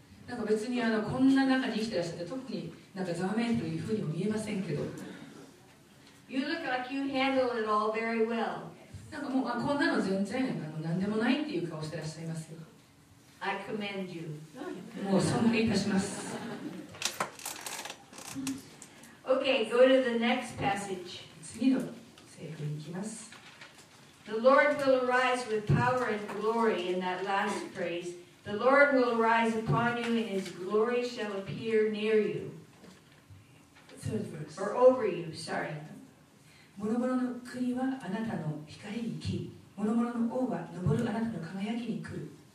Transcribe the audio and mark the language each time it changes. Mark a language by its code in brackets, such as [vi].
[ja] なんか別にこんな中に生きてらっしゃって、特になんかざわめんというふうにも見えませんけど。 [en] You look like you handle it all very well. [ja] なんかもうこんなの全然何でもないっていう顔してらっしゃいますよ。 [en] I commend you. [ja] もう尊敬いたします。 [en] Okay, go to the next passage. [ja] 次の聖句に行きます。 [en] The Lord will arise with power and glory in that last phrase. The Lord will arise upon you and his glory shall appear near you. Third verse. Or over you, sorry. [ja] 諸々の国はあなたの光に生き、諸々の王は昇るあなたの輝きに来る。